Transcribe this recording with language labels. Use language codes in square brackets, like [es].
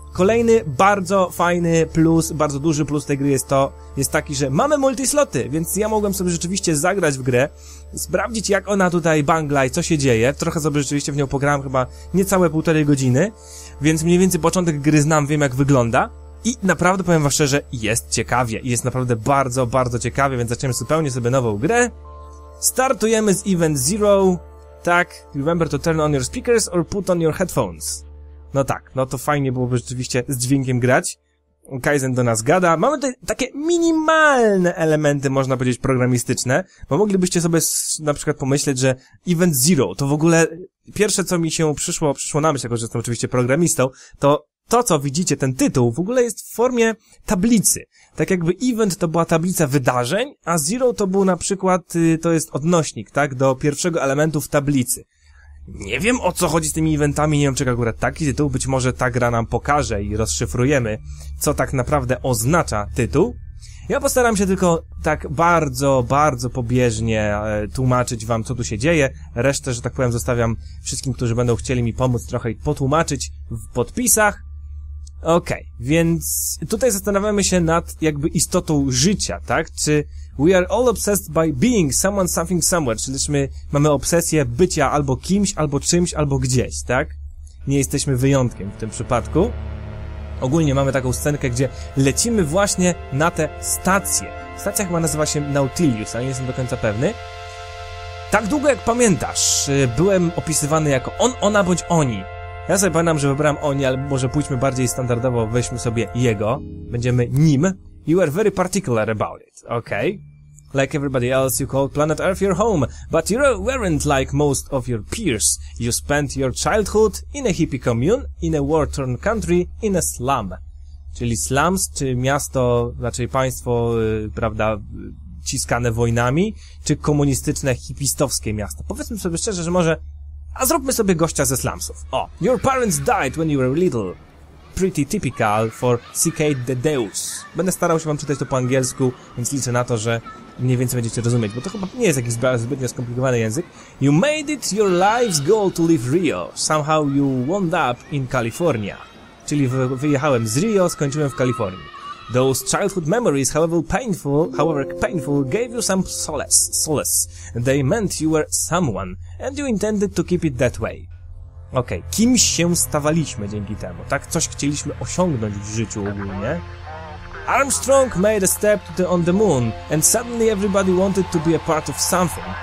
[pl] Kolejny bardzo fajny plus, bardzo duży plus tej gry jest to, jest taki, że mamy multisloty, więc ja mogłem sobie rzeczywiście zagrać w grę, sprawdzić jak ona tutaj bangla i co się dzieje, trochę sobie rzeczywiście w nią pograłem, chyba niecałe półtorej godziny, więc mniej więcej początek gry znam, wiem jak wygląda. I naprawdę powiem wam szczerze, jest ciekawie, jest naprawdę bardzo, bardzo ciekawie, więc zaczniemy zupełnie sobie nową grę. Startujemy z Event Zero. [en] Tak, remember to turn on your speakers or put on your headphones. [pl] No tak, no to fajnie byłoby rzeczywiście z dźwiękiem grać. Kaizen do nas gada. Mamy tutaj takie minimalne elementy, można powiedzieć, programistyczne, bo moglibyście sobie na przykład pomyśleć, że Event Zero to w ogóle pierwsze, co mi się przyszło na myśl, jako że jestem oczywiście programistą, to co widzicie, ten tytuł, w ogóle jest w formie tablicy. Tak jakby event to była tablica wydarzeń, a zero to był na przykład, to jest odnośnik, tak, do pierwszego elementu w tablicy. Nie wiem o co chodzi z tymi eventami, nie wiem czy akurat taki tytuł, być może ta gra nam pokaże i rozszyfrujemy, co tak naprawdę oznacza tytuł. Ja postaram się tylko tak bardzo, bardzo pobieżnie tłumaczyć wam, co tu się dzieje. Resztę, że tak powiem, zostawiam wszystkim, którzy będą chcieli mi pomóc trochę i potłumaczyć w podpisach. Okej, okay, więc tutaj zastanawiamy się nad jakby istotą życia, tak? [en] Czy we are all obsessed by being someone, something, somewhere. [pl] Czyli my mamy obsesję bycia albo kimś, albo czymś, albo gdzieś, tak? Nie jesteśmy wyjątkiem w tym przypadku. Ogólnie mamy taką scenkę, gdzie lecimy właśnie na tę stację. Stacja chyba nazywa się Nautilus, ale nie jestem do końca pewny. Tak długo jak pamiętasz, byłem opisywany jako on, ona bądź oni. Ja sobie pamiętam, że wybrałem oni, ale może pójdźmy bardziej standardowo, weźmy sobie jego. Będziemy nim. [en] You are very particular about it, okay? Like everybody else, you called planet Earth your home, but you weren't like most of your peers. You spent your childhood in a hippie commune, in a war-torn country, in a slum. [pl] Czyli slums, czy miasto, raczej państwo, prawda, ciskane wojnami, czy komunistyczne, hipistowskie miasto. Powiedzmy sobie szczerze, że może... A zróbmy sobie gościa ze slumsów. [en] O, your parents died when you were little. Pretty typical for CK the Deus. [pl] Będę starał się wam czytać to po angielsku, więc liczę na to, że mniej więcej będziecie rozumieć, bo to chyba nie jest jakiś zbytnio skomplikowany język. [en] You made it your life's goal to leave Rio. Somehow you wound up in California. [pl] Czyli wyjechałem z Rio, skończyłem w Kalifornii. [en] Those childhood memories, however painful, gave you some solace. They meant you were someone, and you intended to keep it that way. Okej, okay. [pl] Kimś się stawaliśmy dzięki temu, tak? Coś chcieliśmy osiągnąć w życiu ogólnie. [en] Armstrong made a step on the moon, and suddenly everybody wanted to be a part of something.